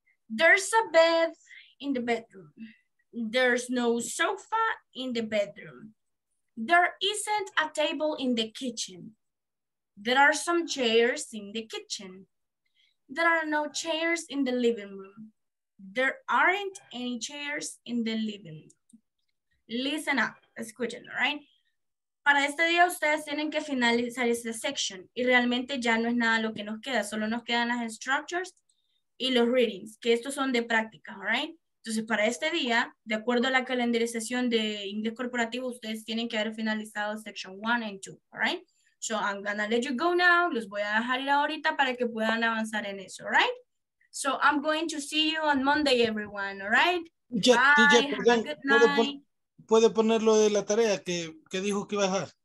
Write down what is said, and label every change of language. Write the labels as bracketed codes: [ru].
[en] There's a bed in the bedroom. There's no sofa in the bedroom. There isn't a table in the kitchen. There are some chairs in the kitchen. There are no chairs in the living room. There aren't any chairs in the living room. Listen up, escuchen, right? [es] Para este día ustedes tienen que finalizar esta section y realmente ya no es nada lo que nos queda, solo nos quedan las structures y los readings, que estos son de práctica, right? Entonces, para este día, de acuerdo a la calendarización de inglés corporativo, ustedes tienen que haber finalizado section 1 and 2, right? [en] So I'm gonna let you go now. [es] Los voy a dejar ir ahorita para que puedan avanzar en eso, right? [en] So I'm going to see you on Monday, everyone, all right? Ya, bye, [es] ya, perdón, [en] have a good night. [es] ¿Puede ponerlo de la tarea que dijo que iba a dejar?